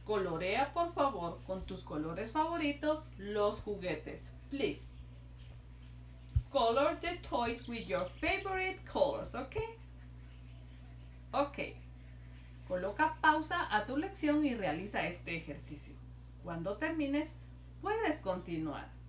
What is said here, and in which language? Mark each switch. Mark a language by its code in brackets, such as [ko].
[es] Colorea, por favor, con tus colores favoritos, los juguetes. [en] Please. Color the toys with your favorite colors, okay? Okay. [es] Coloca pausa a tu lección y realiza este ejercicio. Cuando termines, puedes continuar.